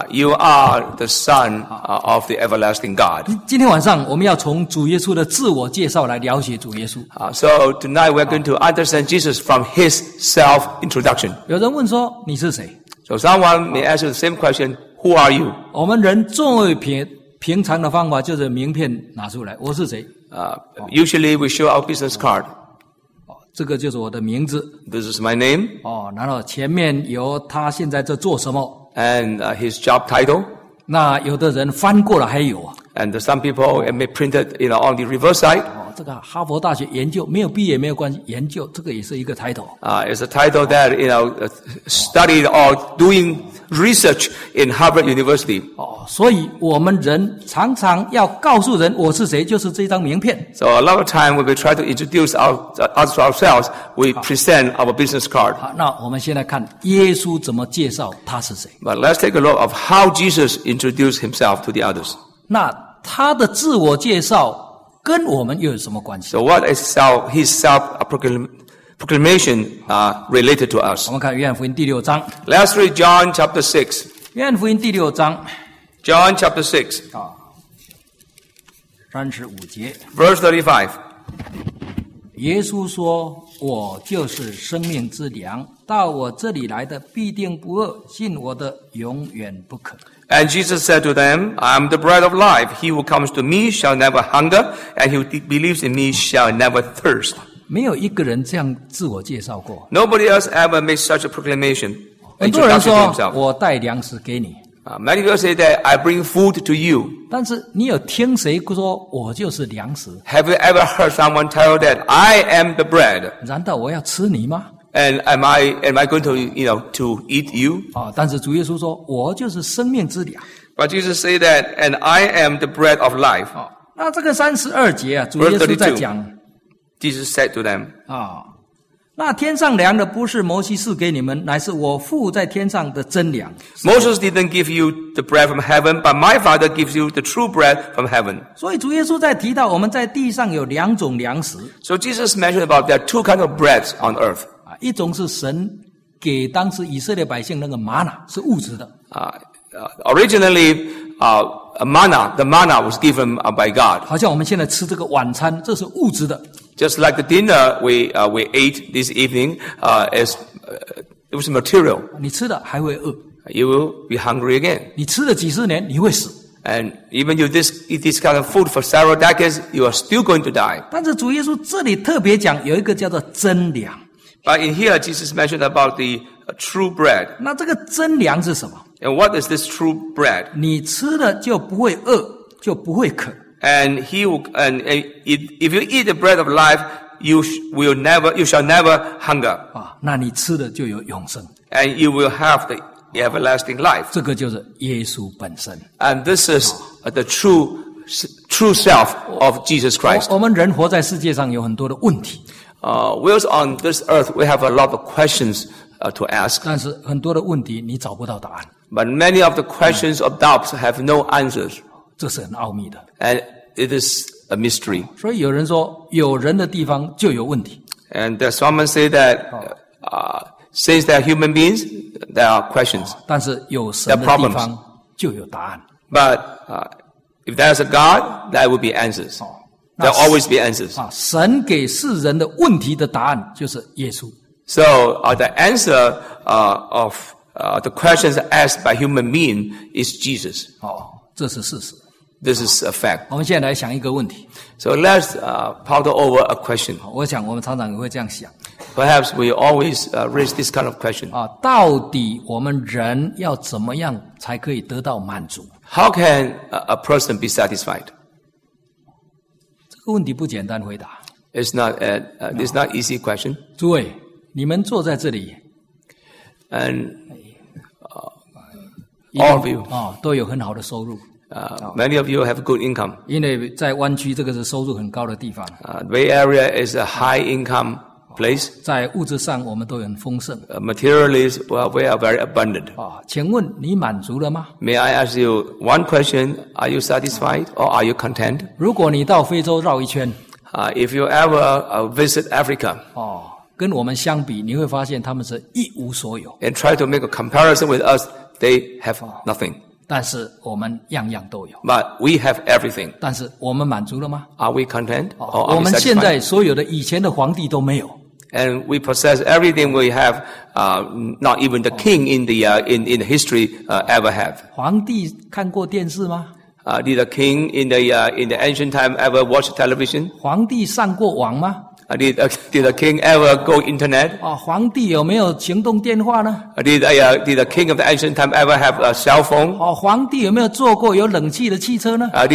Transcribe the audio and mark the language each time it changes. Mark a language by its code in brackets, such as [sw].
[en] You are the son of the everlasting God. [zh] 今天晚上我们要从主耶稣的自我介绍来了解主耶稣。 [en] So tonight we're going to understand Jesus from his self-introduction. [zh] 有人问说你是谁。 [en] So someone may ask you the same question, who are you? [zh] 我们人众位平平常的方法就是名片拿出来，我是谁？ [en] Usually we show our business card. [zh] 这个就是我的名字。 [en] This is my name. [zh] 然后前面有他现在在做什么。 [en] And his job title. [zh] 那有的人翻过了还有啊。 [en] And some people may print it, you know, on the reverse side. [zh] 这个哈佛大学研究，没有毕业没有关系，研究这个也是一个 title. [en] It's a title that, you know, studied or doing research in Harvard University. [zh] 所以我们人常常要告诉人我是谁，就是这张名片。 [en] So a lot of time when we try to introduce ourselves, we present our business card. [zh] 好，那我们先来看耶稣怎么介绍他是谁。 [en] But let's take a look of how Jesus introduced himself to the others. [zh] 那他的自我介绍跟我们又有什么关系？ [en] So what is his self-proclamation related to us? [zh] 我们看约翰福音第六章。 [en] Let's read John chapter 6. [zh] 约翰福音第六章。 [en] John chapter 6. [zh] 35节。 [en] Verse 35. [zh] 耶稣说，我就是生命之粮，到我这里来的必定不饿，信我的永远不渴。 [en] And Jesus said to them, I am the bread of life. He who comes to me shall never hunger, and he who believes in me shall never thirst. [zh] 没有一个人这样自我介绍过。 [en] Nobody else ever made such a proclamation. [zh] 很多人说，我带粮食给你。 [en] Many people say that I bring food to you. [zh] 但是你有听谁说我就是粮食？ [en] Have you ever heard someone tell that I am the bread? [zh] 难道我要吃你吗？ [en] And am I going to, you know, to eat you? [zh] 但是主耶稣说我就是生命之粮。 [en] But Jesus said that, and I am the bread of life. [zh] 那这个32节啊，主耶稣在讲。 [en] Jesus said to them, [zh] 那天上量的不是摩西赐给你们，乃是我父在天上的真量。 [en] Moses didn't give you the bread from heaven, but my father gives you the true bread from heaven. [zh] 所以主耶稣在提到我们在地上有两种粮食。 [en] So Jesus mentioned about there are two kinds of breads on earth. [zh] 一种是神给当时以色列百姓那个玛纳，是物质的。 [en] Originally, the manna was given by God. [zh] 好像我们现在吃这个晚餐，这是物质的。 [en] Just like the dinner we ate this evening, it was material. [zh] 你吃了还会饿。 [en] You will be hungry again. [zh] 你吃了几十年，你会死。 [en] And even if this eat this kind of food for several decades, you are still going to die. [zh] 但是主耶稣这里特别讲有一个叫做真粮。 [en] But in here, Jesus mentioned about the true bread. [zh] 那这个真粮是什么？ [en] And what is this true bread? [zh] 你吃了就不会饿，就不会渴。 [en] And if you eat the bread of life, you shall never hunger. [zh] 啊，那你吃的就有永生。 [en] And you will have the everlasting life. [zh] 这个就是耶稣本身。 [en] And this is the true self of Jesus Christ. [zh] 我们人活在世界上有很多的问题。 [en] Whilst on this earth, we have a lot of questions to ask. [zh] 但是很多的问题你找不到答案。 [en] But many of the questions or doubts have no answers. [zh] 这是很奥秘的。 [en] And it is a mystery. [zh] 所以有人说，有人的地方就有问题。 [en] And someone say that, since there are human beings, there are questions. [zh] 但是有神的地方就有答案。 [en] But, if there is a God, there will be answers. There will always be answers. [zh] 神给世人的问题的答案就是耶稣。 [en] So, the answer, of,the questions asked by human being is Jesus. [zh] 这是事实。 [en] This is a fact. [zh] 我们现在来想一个问题。 [en] So let's ponder over a question. [zh] 我想我们常常也会这样想。 [en] Perhaps we always raise this kind of question. [zh] 到底我们人要怎么样才可以得到满足？ [en] How can a person be satisfied? [zh] 这个问题不简单回答。 [en] It's not easy question. [zh] 诸位，你们坐在这里。 [en] And all of you [zh] 都有很好的收入。 [en] Many of you have good income. [zh] 因为在湾区这个是收入很高的地方。 [en] Bay Area is a high income place. [zh] 在物质上我们都很丰盛。 [en] Materially, we are very abundant. [zh] 请问你满足了吗？ [en] May I ask you one question? Are you satisfied or are you content? [zh] 如果你到非洲绕一圈。 [en] If you ever visit Africa. [zh] 跟我们相比，你会发现他们是一无所有。 [en] And try to make a comparison with us, they have nothing. [zh] 但是我们样样都有。 [en] But we have everything. [zh] 但是我们满足了吗？ [en] Are we content? [zh] 我们现在所有的以前的皇帝都没有。 [en] And we possess everything we have, not even the king in the history, ever have. [zh] 皇帝看过电视吗？ [en] Did a king in the ancient time ever watch television? [zh] 皇帝上过网吗？ [en] Did a king ever go internet? [zh] 皇帝有没有行动电话呢？ [en] Did a king of the ancient time ever have a cell phone? [zh] 皇帝有没有坐过有冷气的汽车呢？